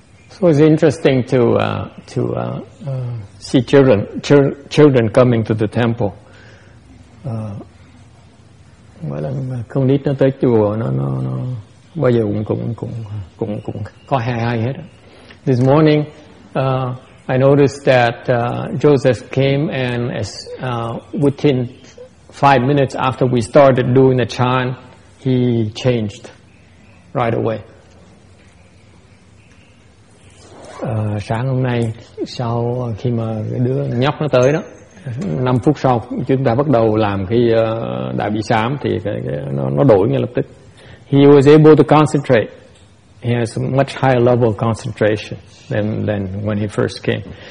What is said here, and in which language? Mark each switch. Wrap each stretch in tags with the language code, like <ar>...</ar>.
<en>So it's interesting to see children coming to the temple.</en> <vi>Không nít nó tới chùa nó bây giờ cũng có hay ai hết.</vi> <en>This morning, I noticed that Joseph came and within 5 minutes after we started doing the chant, he changed right away.</en> <vi>Sáng hôm nay sau khi mà cái đứa nhóc nó tới đó, 5 phút sau chúng ta bắt đầu làm cái đại bi sám thì nó đổi ngay lập tức.</vi> <en>He was able to concentrate. He has a much higher level of concentration than when he first came.</en>